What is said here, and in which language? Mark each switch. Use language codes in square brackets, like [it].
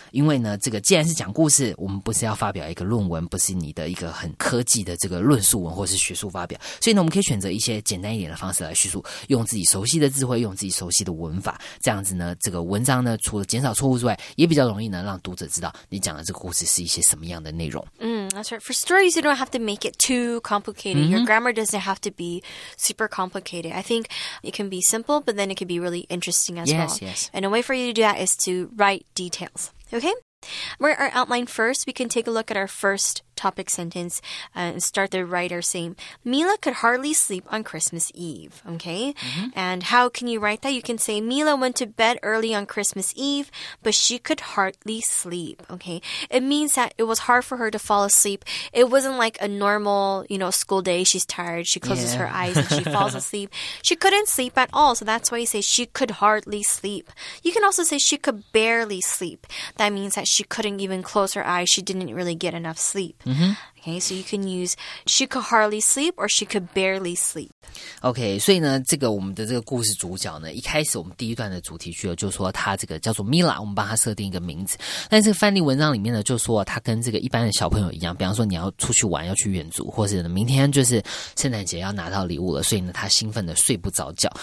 [zh] 因为呢这个既然是讲故事，我们不是要发表一个论文，不是你的一个很科技的这个论述文或是学术发表，所以呢我们可以选择一些简单一点的方式来叙述，用自己熟悉的智慧，用自己熟悉的文法，这样子呢这个文章呢除了减少错误之外，也比较容易呢让读者知道你讲的这个故事是一些什么样的内容。 [en] That's right. For stories, you don't have to make it too complicated. Your grammar doesn't have to be super complicated. I think it can be simple, but then it can be really interesting as well. Yes, yes. And a way for you to do that is to write details. Okay? Where our outline first, we can take a look at our first topic sentence and start the writer saying, Mila could hardly sleep on Christmas Eve. Okay? And how can you write that? You can say, Mila went to bed early on Christmas Eve, but she could hardly sleep. Okay? It means that it was hard for her to fall asleep. It wasn't like a normal, you know, school day. She's tired. She closes her eyes and she falls asleep. She couldn't sleep at all. So that's why you say she could hardly sleep. You can also say she could barely sleep. That means that she couldn't even close her eyes. She didn't really get enough sleep. Okay, so you can use she could hardly sleep or she could barely sleep. [zh] Okay, 所以呢，这个我们的这个故事主角呢，一开始我们第一段的主题句就说他这个叫做 Mila， 我们帮他设定一个名字。但这个范例文章里面呢，就说他跟这个一般的小朋友一样，比方说你要出去玩，要去远足，或是呢明天就是圣诞节要拿到礼物了，所以呢他兴奋的睡不着觉。